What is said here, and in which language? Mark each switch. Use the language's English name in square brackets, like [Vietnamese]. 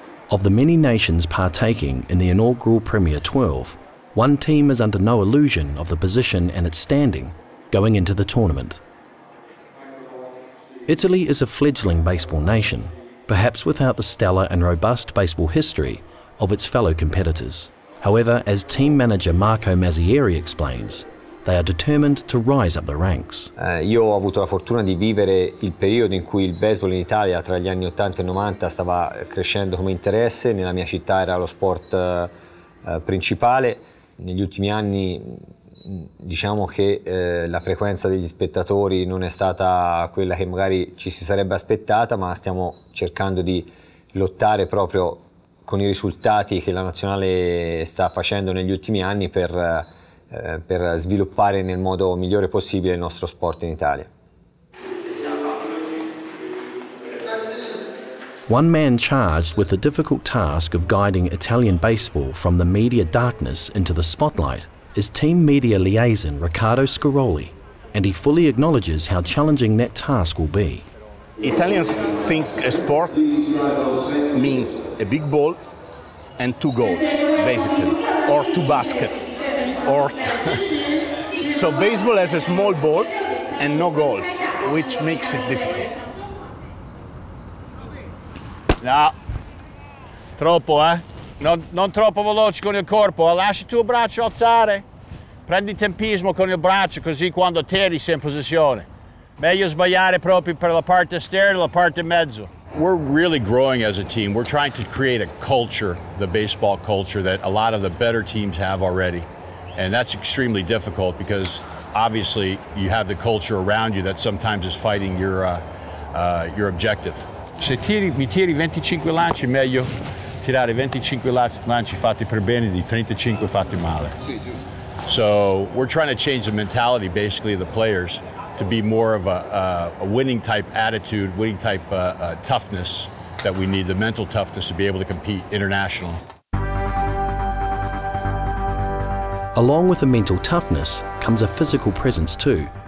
[English] Of the many nations partaking in the inaugural Premier 12, one team is under no illusion of the position and its standing going into the tournament. Italy is a fledgling baseball nation, perhaps without the stellar and robust baseball history of its fellow competitors. However, as team manager Marco Mazzieri explains, they are determined to rise up the ranks. [Italian] Io ho avuto la fortuna di vivere il periodo in cui il baseball in Italia tra gli anni 80 e 90 stava crescendo come interesse, nella mia città era lo sport principale. Negli ultimi anni diciamo che la frequenza degli spettatori non è stata quella che magari ci si sarebbe aspettata, ma stiamo cercando di lottare proprio con i risultati che la nazionale sta facendo negli ultimi anni per sviluppare nel modo migliore possibile il nostro sport in Italia. [English] One man charged with the difficult task of guiding Italian baseball from the media darkness into the spotlight is team media liaison Riccardo Scaroli, and he fully acknowledges how challenging that task will be. Italians think a sport means a big ball and two goals, basically, or two baskets. Or so baseball has a small ball and no goals, which makes it difficult. [Italian] No, troppo, eh? Non troppo veloce con il corpo, eh? Lascia il tuo braccio alzare. Prendi tempismo con il braccio, così quando tiri sei in posizione. Meglio sbagliare proprio per la parte esterna o la parte mezzo. [English] We're really growing as a team. We're trying to create a culture, the baseball culture, that a lot of the better teams have already. And that's extremely difficult because, obviously, you have the culture around you that sometimes is fighting your objective. [Italian] Se tiri, mi tiri 25 lanci, meglio. tirare 25 lanci fatti per bene di 35 fatti male. [English] So we're trying to change the mentality, basically, of the players to be more of a winning type attitude, winning type toughness that we need, the mental toughness to be able to compete internationally. Along with a mental toughness comes a physical presence too.